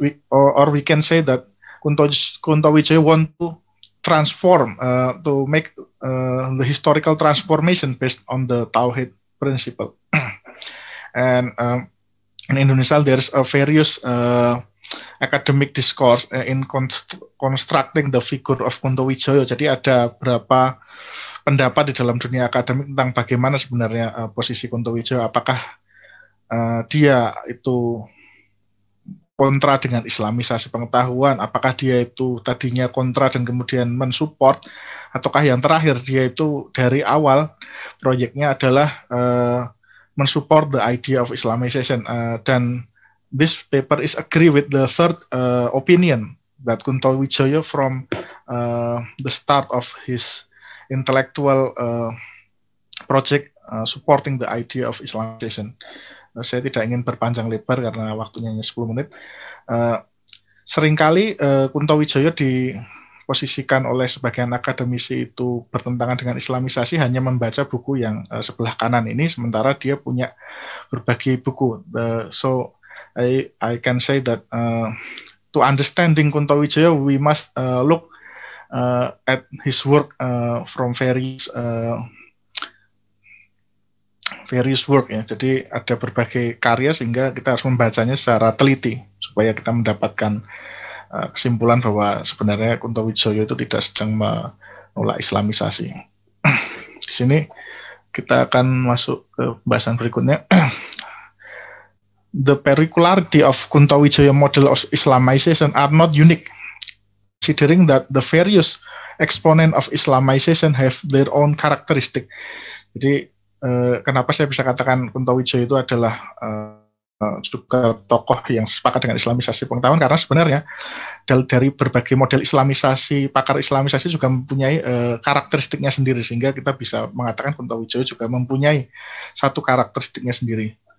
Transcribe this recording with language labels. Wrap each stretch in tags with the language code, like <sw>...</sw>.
<en>Or we can say that Kuntowijoyo want to transform, to make the historical transformation based on the Tauhid principle. And in Indonesia, there's a various academic discourse in constructing the figure of Kuntowijoyo.</en> <id>Jadi ada berapa pendapat di dalam dunia akademik tentang bagaimana sebenarnya posisi Kuntowijoyo, apakah dia itu kontra dengan Islamisasi pengetahuan, apakah dia itu tadinya kontra dan kemudian mensupport, ataukah yang terakhir dia itu dari awal proyeknya adalah mensupport</id> <en>the idea of Islamization.</en> <id>Dan</id> <en>this paper is agree with the third opinion that Kuntowijoyo from the start of his intellectual project supporting the idea of Islamization.</en> <id>Saya tidak ingin berpanjang lebar karena waktunya hanya 10 menit. Seringkali Kuntowijoyo diposisikan oleh sebagian akademisi itu bertentangan dengan Islamisasi hanya membaca buku yang sebelah kanan ini, sementara dia punya berbagai buku.</id> <en>So I can say that to understanding Kuntowijoyo, we must look at his work from various various work ya.</en> <id>Jadi ada berbagai karya sehingga kita harus membacanya secara teliti supaya kita mendapatkan kesimpulan bahwa sebenarnya Kuntowijoyo itu tidak sedang menolak Islamisasi. Di sini kita akan masuk ke pembahasan berikutnya.</id> <en>The peculiarity of Kuntowijoyo model of Islamization are not unique, considering that the various exponent of Islamization have their own characteristic.</en> <id>Jadi kenapa saya bisa katakan Kuntowijoyo itu adalah juga tokoh yang sepakat dengan Islamisasi pengetahuan, karena sebenarnya dari berbagai model Islamisasi, pakar Islamisasi juga mempunyai karakteristiknya sendiri, sehingga kita bisa mengatakan Kuntowijoyo juga mempunyai satu karakteristiknya sendiri.</id>